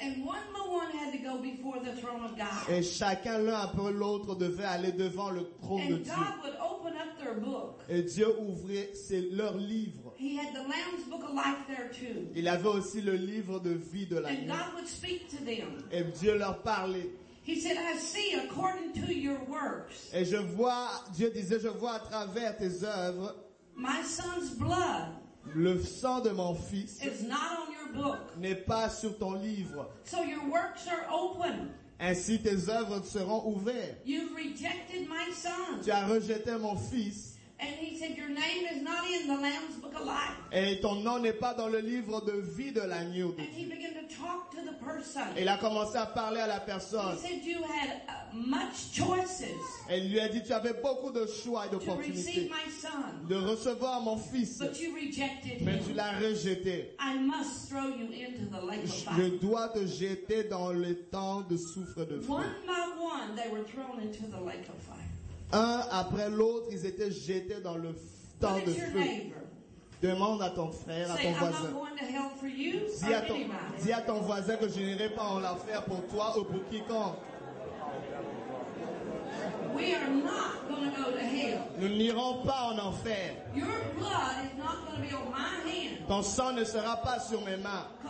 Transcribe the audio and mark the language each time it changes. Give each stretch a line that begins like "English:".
English: And one by one had to go before the throne of God.
French: Et chacun l'un après l'autre devait aller devant le trône de Dieu.
English: And God would open up their book.
French: Et Dieu ouvrait leurs livres.
English: He had the Lamb's book of life there too.
French: Il avait aussi le livre de vie de l'agneau.
English: And God would speak to them.
French: Et Dieu leur parlait.
English: He said, "I see according to your works."
French: Et je vois, Dieu disait, je vois à travers tes œuvres.
English: My son's blood,
French: le sang de mon fils,
English: is not on your book.
French: N'est pas sur ton livre.
English: So your works are open.
French: Ainsi tes œuvres seront ouvertes.
English: You've rejected my son.
French: Tu as rejeté mon fils.
English: And he said, your name is not in the Lamb's book of life.
French: Et ton nom n'est pas dans le livre de vie de l'agneau.
English: And he began to talk to the person.
French: Et il a commencé à parler à la personne.
English: He said, you had much choices.
French: Et lui a dit, tu avais beaucoup de choix et d'opportunités.
English: To receive my son.
French: De recevoir mon fils.
English: But you rejected him.
French: Mais tu l'as rejeté.
English: I must throw you into the lake of fire.
French: Je dois te jeter dans le temps de souffre de feu.
English: One by one, they were thrown into the lake of fire.
French: Un après l'autre, ils étaient jetés dans le temps de feu. Demande à ton frère,
English: say,
French: à ton voisin.
English: You,
French: dis à ton voisin que je n'irai pas en enfer pour toi ou pour quiconque.
English: We are not gonna go to hell.
French: Nous n'irons pas en enfer.
English: Your blood is not gonna be on my hand.
French: Ton sang ne sera pas sur mes mains.